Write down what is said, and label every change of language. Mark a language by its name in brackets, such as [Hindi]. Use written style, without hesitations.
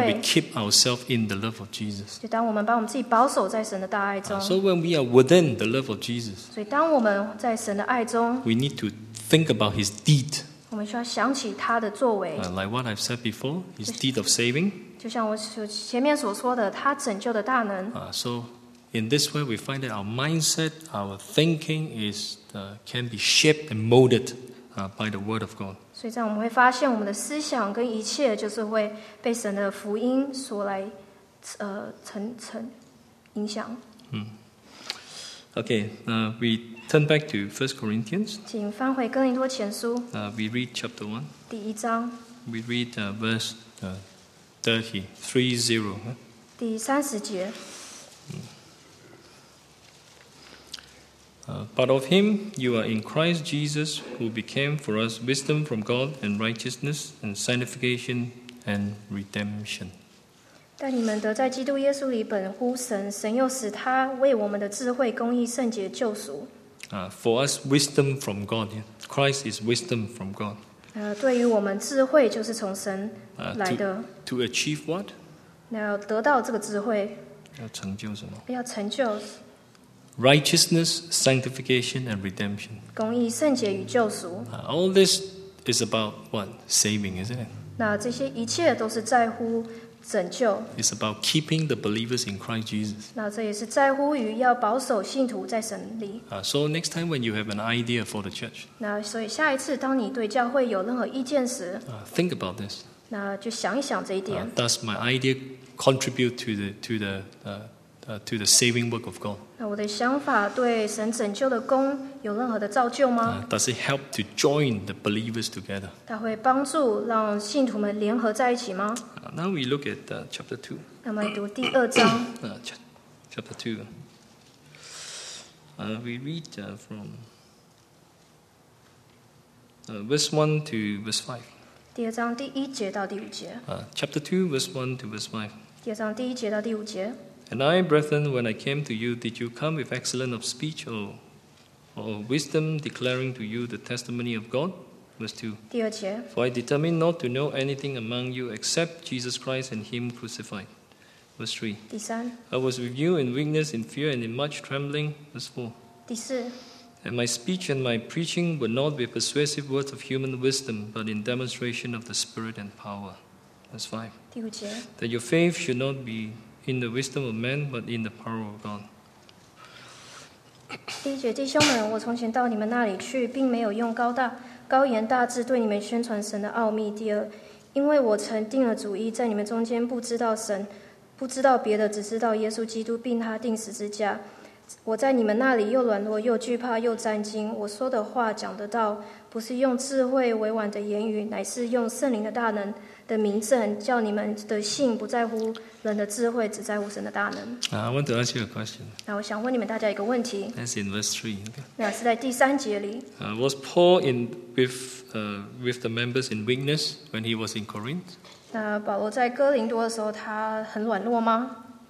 [English] ？When we keep ourselves in the love of Jesus. [Chinese] 就当我们把我们自己保守在神的大爱中。 [English] So when we are within the love of Jesus. [Chinese] 所以当我们在神的爱中 [English] ，we need to think about His deed. [Chinese] 我们需要想起他的作为。 [English] Like what I've said before, his deed of saving. [Chinese] 就像我前面所说的，他拯救的大能。 [English] So in this way, we find that our mindset, our thinking is can be shaped and molded by the word of God. [Chinese] 所以这样我们会发现，我们的思想跟一切就是会被神的福音所来成影响。 [English] Okay, we turn back to 1 Corinthians. [Chinese] 请翻回哥林多前书。 [English] We read chapter 1. [Chinese] 第一章。 [English] We read verse 30. [Chinese] 第三十节。 [English] But of him you are in Christ Jesus, who became for us wisdom from God and righteousness and sanctification and redemption. [Chinese] 但你们得在基督耶稣里本乎神，神又使他为我们的智慧、公义、圣洁、救赎。 [English] For us, wisdom from God. Christ is wisdom from God. [Chinese] 对于我们智慧就是从神来的。 [English] To achieve what? [Chinese] 要得到这个智慧。要成就什么？要成就。 [English] Righteousness, sanctification, and redemption. [Chinese] 公义、圣洁与救赎。 [English] All this is about what? Saving, isn't it? [Chinese] 那这些一切都是在乎。 [English] It's about keeping the believers in Christ Jesus. [Chinese] 那这也是在乎于要保守信徒在神里。 [English] So next time when you have an idea for the church. [Chinese] 那所以下一次当你对教会有任何意见时。 [English] Think about this. [Chinese] 那就想一想这一点。 [English] Does my idea contribute to the saving work of God? [Chinese] 那我的想法对神拯救的工有任何的造就吗？ [English] Does it help to join the believers together? [Chinese] 它会帮助让信徒们联合在一起吗？ [English] Now we look at chapter 2. [Chinese] 那我们来读第二章。 [English] Chapter 2. We read from verse 1 to verse 5. [Chinese] 第二章第一节到第五节。 [English] Chapter 2, verse 1 to verse 5. [Chinese] 第二章第一节到第五节。 [English] And I, brethren, when I came to you, did you come with excellence of speech or wisdom declaring to you the testimony of God? Verse 2. [Chinese] 第二节。 [English] For I determined not to know anything among you except Jesus Christ and Him crucified. Verse 3. [Chinese] 第三。 [English] I was with you in weakness, in fear, and in much trembling. Verse 4. [Chinese] 第四。 [English] And my speech and my preaching were not with persuasive words of human wisdom, but in demonstration of the Spirit and power. Verse 5. [Chinese] 第五节。 [English] That your faith should not be in the wisdom of man, but in the power of God. [Chinese] 第一节，弟兄们，我从前到你们那里去，并没有用高言大志对你们宣传神的奥秘。第二，因为我曾定了主意，在你们中间不知道神，不知道别的，只知道耶稣基督，并他钉十字架。我在你们那里又软弱，又惧怕，又战惊。我说的话，讲的道，不是用智慧委婉的言语，乃是用圣灵的大能的名证，叫你们的信不在乎人的智慧，只在乎神的大能。 [English] I want to ask you a question. [Chinese] 那我想问你们大家一个问题。 [English] That's in verse 3. [Chinese] 那是在第三节里。 [English] Was Paul with the members in weakness when he was in Corinth? [Chinese] 那保罗在哥林多的时候，他很软弱吗？